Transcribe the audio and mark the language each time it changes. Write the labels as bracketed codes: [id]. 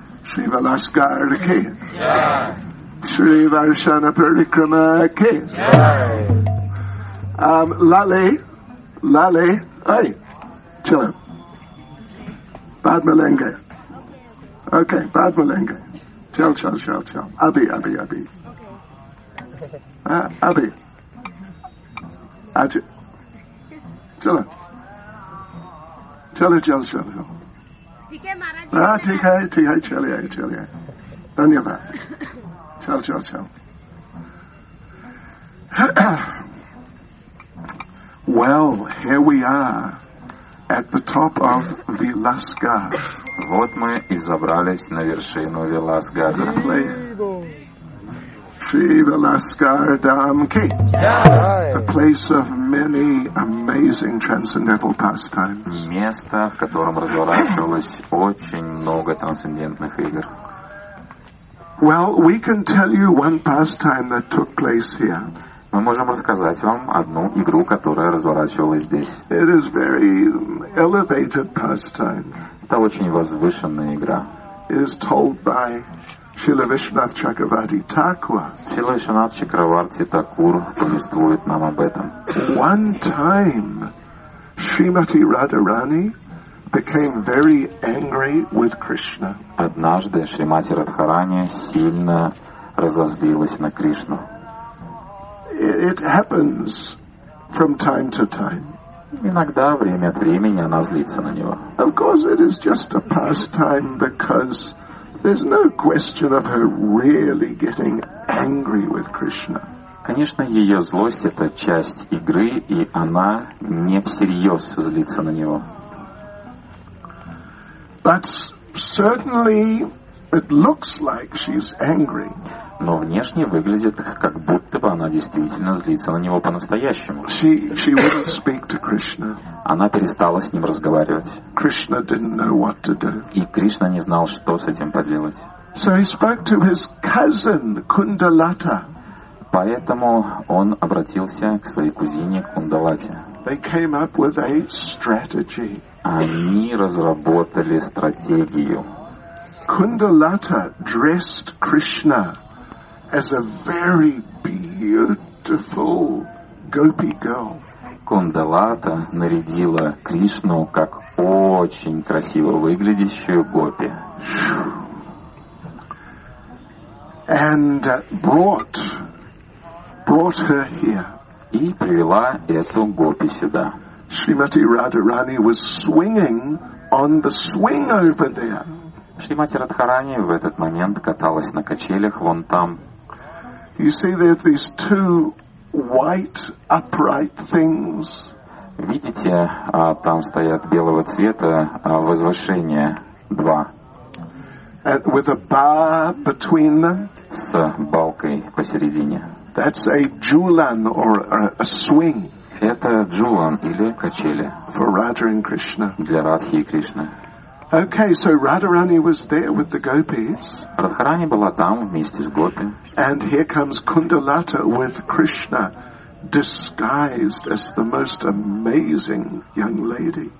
[hi] श्री वलास्कार के, श्री वर्षण परिक्रमा के, लाले लाले आई चलो बाद में लेंगे, ओके बाद में लेंगे, चल चल चल चल, अभी अभी अभी अभी आज चलो चलो चलो चलो ठीक है महाराज, हाँ ठीक है चलिए चलिए धन्यवाद, चल चल चल। [en] Well, here we are at the top of the Lascar. [ru] Вот мы и забрались на вершину Веласкара. Шива Ласкар Дамки. [en] The place of many amazing transcendental pastimes. [ru] Место, в котором разворачивалось очень много трансцендентных игр. [en] Well, we can tell you one pastime that took place here. [ru] Мы можем рассказать вам одну игру, которая разворачивалась здесь. [en] It is very elevated pastime. [ru] Это очень возвышенная игра. [en] It is told by Śrīla Viṣṇuvārta Chakravarti Thakura. [ru] Śrīla Viṣṇuvārta Chakravarti Thakura повествует нам об этом. [en] One time, Śrīmatī Radharāṇī became very angry with Krishna. [ru] Однажды Śrīmatī Radharāṇī сильно разозлилась на Кришну. [en] It happens from time to time. [ru] Иногда время от времени она злится на него. [en] Of course, it is just a pastime because there's no question of her really getting angry with Krishna. [ru] Конечно, ее злость это часть игры, и она не всерьез злится на него. [en] But certainly, it looks like she's angry. [ru] Но внешне выглядит, как будто бы она действительно злится на него по-настоящему. [en] She wouldn't speak to Krishna. [ru] Она перестала с ним разговаривать. [en] Krishna didn't know what to do. [ru] И Кришна не знал, что с этим поделать. [en] So he spoke to his cousin, Kundalata. [ru] Поэтому он обратился к своей кузине Кундалате. [en] They came up with a strategy. [ru] Они разработали стратегию. [en] Kundalata dressed Krishna as a very beautiful gopi girl. [ru] Кундалата нарядила Кришну как очень красиво выглядящую гопи. [en] And brought her here. [ru] И привела эту гопи сюда. [en] Śrīmatī Radharāṇī was swinging on the swing over there. [ru] Śrīmatī Radharāṇī в этот момент каталась на качелях вон там. [en] You see there are these two white upright things. [ru] Видите, там стоят белого цвета возвышения два. [en] And with a bar between them. [ru] С балкой посередине. [en] That's a jhulan or a swing. [ru] Это джулан или качели. [en] For Radha and Krishna. [ru] Для Радхи и Кришны. [en] Okay, so Radharani was there with the gopis. [ru] Радхарани была там вместе с гопи. [en] And here comes Kundalata with Krishna, disguised as the most amazing young lady.